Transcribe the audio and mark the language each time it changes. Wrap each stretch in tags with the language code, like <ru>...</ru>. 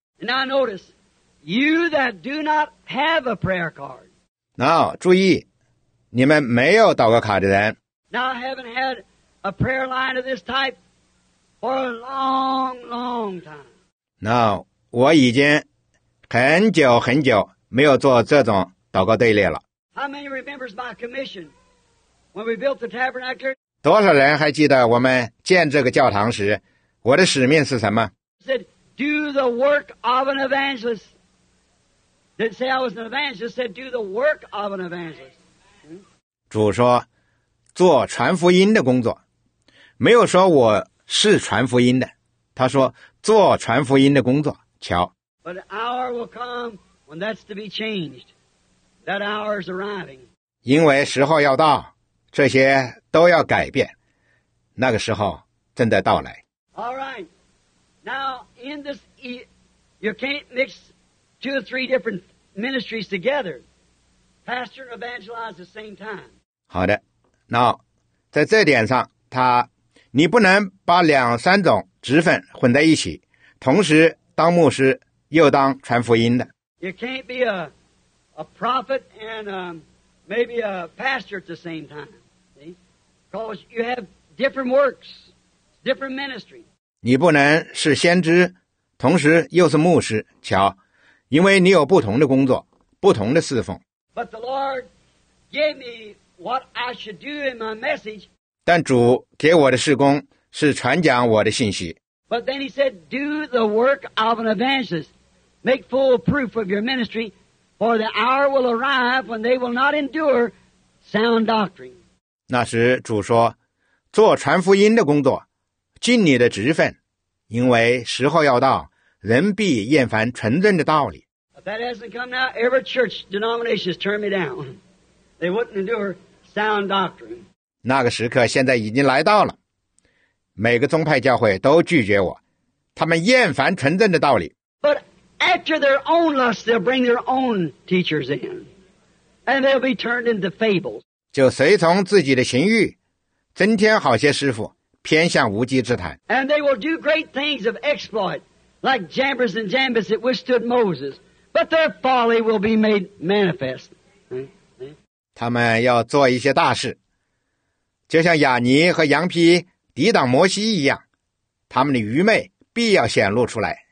<en>Now notice, you that do not have a prayer card. Now,</en> <zh>注意，你们没有祷告卡的人。</zh> <en>Now I haven't had a prayer line of this type for a long, long time. Now,</en> <zh>我已经很久很久没有做这种祷告队列了。</zh> <en>How many remembers my commission when we built the tabernacle?</en> <zh>多少人还记得我们建这个教堂时，我的使命是什么？</zh> <en>Said, do the work of an evangelist. Didn't say I was an evangelist, said do the work of an evangelist.</en> <zh>主说，做传福音的工作，没有说我是传福音的，他说做传福音的工作，瞧。</zh> <en>But the hour will come when that's to be changed. That hour is arriving.</en> <zh>因为时候要到，这些都要改变，那个时候正在到来。</zh> <en>All right. Now, in this, you can't mix two or three different ministries together. Pastor and evangelize at the same time.</en> <zh>好的。那在这点上，你不能把两三种职分混在一起，同时当牧师又当传福音的。</zh> <en>You can't be a prophet and maybe a pastor at the same time. See? Because you have different works. different ministry.</en> <zh>你不能是先知，同时又是牧师，瞧，因为你有不同的工作，不同的侍奉。</zh> <en>But the Lord gave me what I should do in my message.</en> <zh>但主给我的事工是传讲我的信息。</zh> <en>But then he said, do the work of an evangelist. Make full proof of your ministry, for the hour will arrive when they will not endure sound doctrine.</en> <zh>那时主说，做传福音的工作，尽你的职分，因为时候要到，人必厌烦纯正的道理。</zh> <en>If that hasn't come now, every church denomination has turned me down. They wouldn't endure sound doctrine.</en> <zh>那个时刻现在已经来到了。每个宗派教会都拒绝我，他们厌烦纯正的道理。</zh> <en>But after their own lust, they'll bring their own teachers in, and they'll be turned into fables.</en> <zh>就随从自己的情欲，增添好些师傅，偏向无稽之谈。</zh> <en>And they will do great things of exploit, like Jambres and Jambres that withstood Moses, but their folly will be made manifest.</en> <zh>他们要做一些大事，就像亚尼和羊皮抵挡摩西一样，他们的愚昧必要显露出来。</zh>